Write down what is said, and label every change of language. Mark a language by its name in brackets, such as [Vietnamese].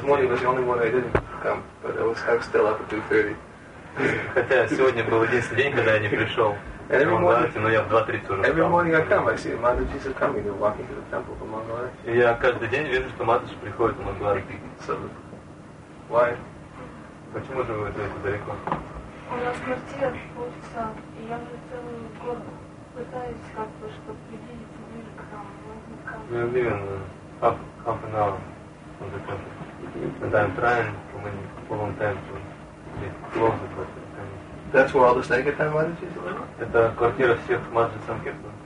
[English] This morning was the only one I didn't come, but I was still up at 2:30. [Russian] Хотя сегодня был единственный день, когда я не пришел. [English] Every morning I come, I see Madhujis are coming, they're walking to the temple for Mangalarti. [Russian] Я каждый день вижу, что Мадхуджи приходит в Мангаларти. [English] So, why? [Russian] Почему же вы живете далеко? У нас квартира полчаса, и я уже целый год пытаюсь как-то, чтобы приблизиться ближе к нам. [English] We are living half an hour on the temple. And I'm trying for many, for a long time to get closer, but that's where all the Sankirtan Madhujis live? [Russian] Это квартира всех Мадхуджи Санкиртан.